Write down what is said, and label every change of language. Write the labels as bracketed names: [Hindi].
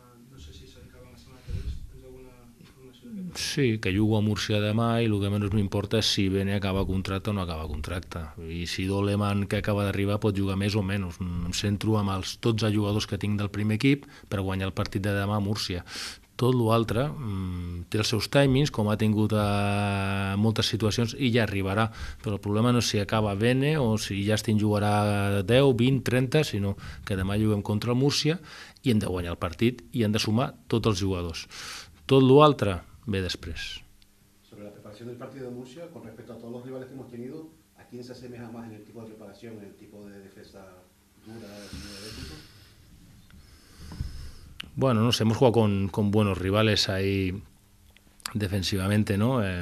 [Spanish] No sé si se acaba la semana que viene, ¿tienes alguna información? [Catalan] Sí, que jugo a Múrcia demà i el que menys m'importa és si Bene acaba contracte o no acaba contracte. I si Doleman, que acaba d'arribar, pot jugar més o menys. Em centro amb els 12 jugadors que tinc del primer equip per guanyar el partit de demà a Múrcia. Tot l'altre té els seus timings, com ha tingut moltes situacions, i ja arribarà. Però el problema no és si acaba Bene o si Justin jugarà 10, 20, 30, sinó que demà juguem contra el Múrcia i hem de guanyar el partit i hem de sumar tots els jugadors. Tot l'altre ve després. Sobre la preparació del partit de Múrcia, [Spanish] con respecto a todos los rivales que hemos tenido, ¿a quién se asemeja más en el tipo de preparación, en el tipo de defensa dura, de ético? Bueno, no sé, hemos jugado con buenos rivales ahí defensivamente, ¿no?